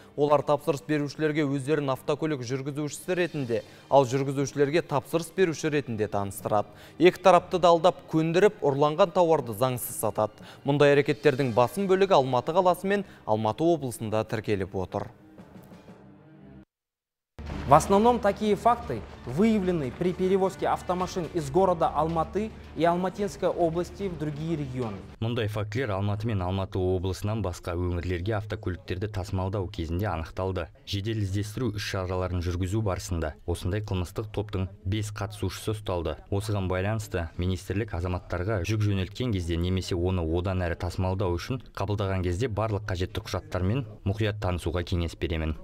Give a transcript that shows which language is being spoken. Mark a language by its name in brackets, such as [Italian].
[Kazakh] Олар тапсырыс берушілерге өздерін автокөлік жүргізушісі ретінде, ал жүргізушілерге тапсырыс беруші ретінде таныстырады. Екі тарапты да алдап, көндіріп, ұрланған тауарды заңсыз сатады. Мұндай әрекеттердің басым бөлігі Алматы қаласы мен Алматы облысында тіркеліп отыр. [Russian] В основном такие факты выявлены при перевозке автомашин из города Алматы и Алматинской области в другие регионы. [Kazakh] Мұндай фактілер Алматы мен Алматы облысынан басқа өңірлерге автокөліктерді тасымалдау кезінде анықталды. Жедел іздестіру іс-шараларын жүргізу барысында осындай қылмыстық топтың 5 қатысушысы ұсталды. Осыған байланысты министрлік азаматтарға жүк жөнелткен кезде немесе оны одан әрі тасымалдау үшін қабылдаған кезде барлық қажетті құжаттармен мұқият танысуға кеңес беремін.